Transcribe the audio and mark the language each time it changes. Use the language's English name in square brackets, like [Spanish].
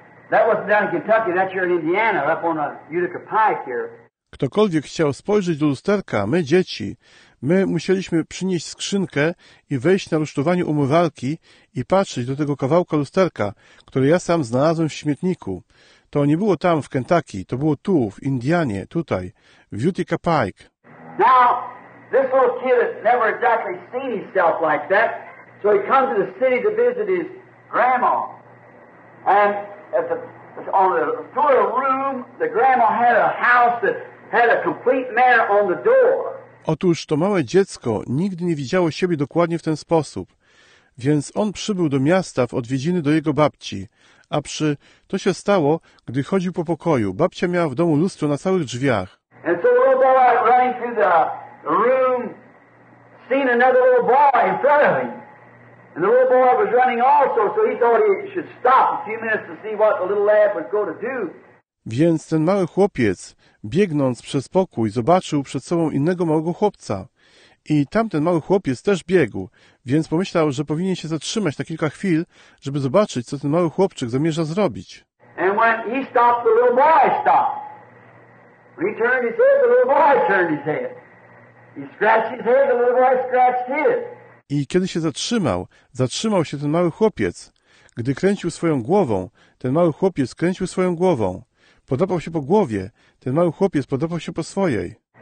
[English] That wasn't down in Kentucky, that's here in Indiana, up on a Utica Pike here. [Polish] Ktokolwiek chciał spojrzeć do lusterka, my dzieci, my musieliśmy przynieść skrzynkę i wejść na rusztowanie umywalki i patrzeć do tego kawałka lusterka, który ja sam znalazłem w śmietniku. To nie było tam w Kentucky, to było tu, w Indianie, tutaj, w Utica Pike. [English] Now, this little kid has never exactly seen himself like that, so he comes to the city to visit his grandma, and on the tour of room, the grandma had a house that had a complete mirror on the door. [Polish] Otóż to małe dziecko nigdy nie widziało siebie dokładnie w ten sposób, więc on przybył do miasta w odwiedziny do jego babci. A przy to się stało, gdy chodził po pokoju. Babcia miała w domu lustro na całych drzwiach. [English] And so the little boy running through the room, seen another little boy in front of him. And the little boy was running also, so he thought he should stop a few minutes to see what the little lad was going to do. [Polish] Więc ten mały chłopiec, biegnąc przez pokój, zobaczył przed sobą innego małego chłopca. I tamten mały chłopiec też biegł, więc pomyślał, że powinien się zatrzymać na kilka chwil, żeby zobaczyć, co ten mały chłopczyk zamierza zrobić. [English] And when he stopped, the little boy stopped. When he turned his head, the little boy turned his head. He scratched his head, the little boy scratched his. [Polish] I kiedy się zatrzymał, zatrzymał się ten mały chłopiec. Gdy kręcił swoją głową, ten mały chłopiec kręcił swoją głową. Podrapał się po głowie, ten mały chłopiec podrapał się po swojej.